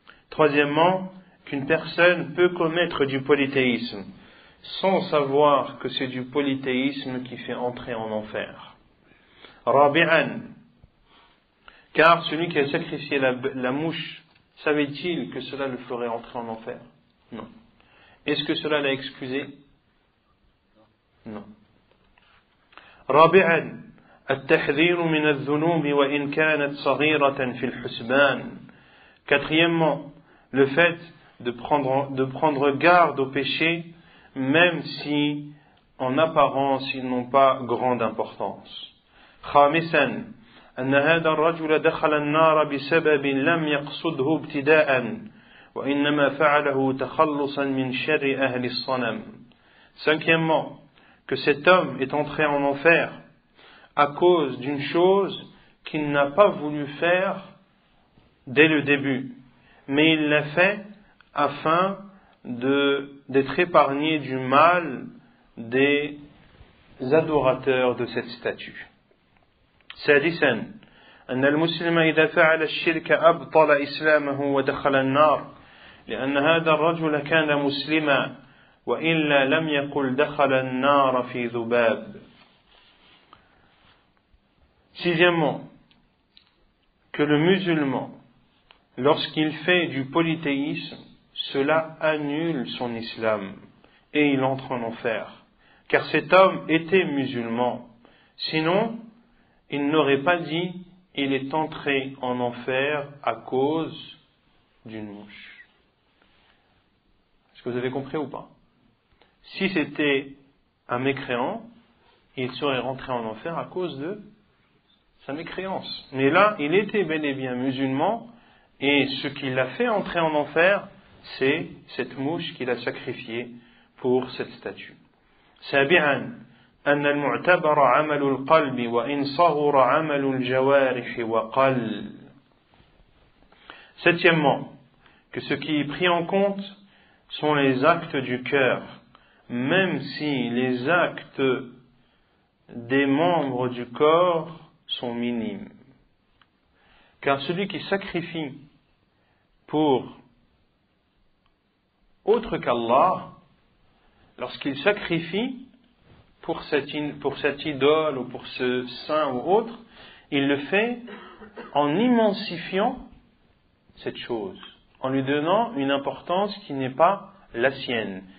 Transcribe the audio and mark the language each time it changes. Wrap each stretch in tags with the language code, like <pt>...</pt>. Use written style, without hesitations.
<fr>Troisièmement, qu'une personne peut commettre du polythéisme sans savoir que c'est du polythéisme qui fait entrer en enfer. رابعاً, car celui qui a sacrifié la mouche, savait-il que cela le ferait entrer en enfer? Non. Est-ce que cela l'a excusé? Non.</fr> <ar>رابعا التحذير من الذنوب وإن كانت صغيرة في الحسبان.</ar> <fr>Quatrièmement, le fait de prendre garde aux péchés, même si en apparence ils n'ont pas grande importance.</fr> <ar>خامسا أن هذا الرجل دخل النار بسبب لم يقصده ابتداء وإنما فعله تخلصا من شر أهل الصنم.</ar> <fr>Cinquièmement, que cet homme est entré en enfer à cause d'une chose qu'il n'a pas voulu faire dès le début, mais il l'a fait afin d'être épargné du mal des adorateurs de cette statue.</fr> <ar>سادساً أن المسلم إذا فعل الشرك أبطل إسلامه ودخل النار لأن هذا الرجل كان مسلما وَإِلَّا لَمْ يَقُلْ دَخَلَ النَّارَ فِي ذُبَابٍ.</ar> <fr>Sixièmement, que le musulman, lorsqu'il fait du polythéisme, cela annule son islam et il entre en enfer. Car cet homme était musulman. Sinon, il n'aurait pas dit « il est entré en enfer à cause d'une mouche ». Est-ce que vous avez compris ou pas? Si c'était un mécréant, il serait rentré en enfer à cause de sa mécréance. Mais là, il était bel et bien musulman, et ce qui l'a fait entrer en enfer, c'est cette mouche qu'il a sacrifiée pour cette statue.</fr> <ar>سابعاً أن المعتبر عمل القلب وإن صغر عمل الجوارح وقل.</ar> <fr>Septièmement, que ce qui est pris en compte sont les actes du cœur, même si les actes des membres du corps sont minimes. Car celui qui sacrifie pour autre qu'Allah, lorsqu'il sacrifie pour cette idole ou pour ce saint ou autre, il le fait en immensifiant cette chose, en lui donnant une importance qui n'est pas la sienne.</fr>